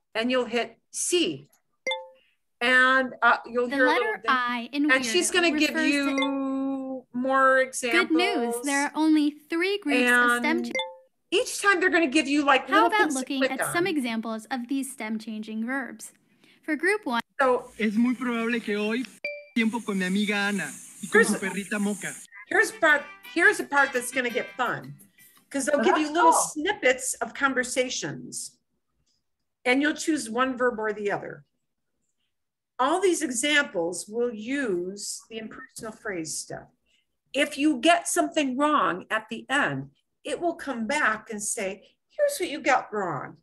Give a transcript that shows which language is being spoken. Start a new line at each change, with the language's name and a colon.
English: And you'll hit C. And you'll hear the letter I in weirdo. And she's going to give you more examples. Good news. There are only three groups of stem changes. Each time they're going to give you like how about looking at some examples of these stem changing verbs? For group one. So
Spanish: es muy probable que hoy tiempo con mi amiga Ana y con su perrita Mocha.
English: Here's a part that's going to get fun. Because they'll give you little snippets of conversations. And you'll choose one verb or the other. All these examples will use the impersonal phrase stuff. If you get something wrong at the end, it will come back and say, here's what you got wrong.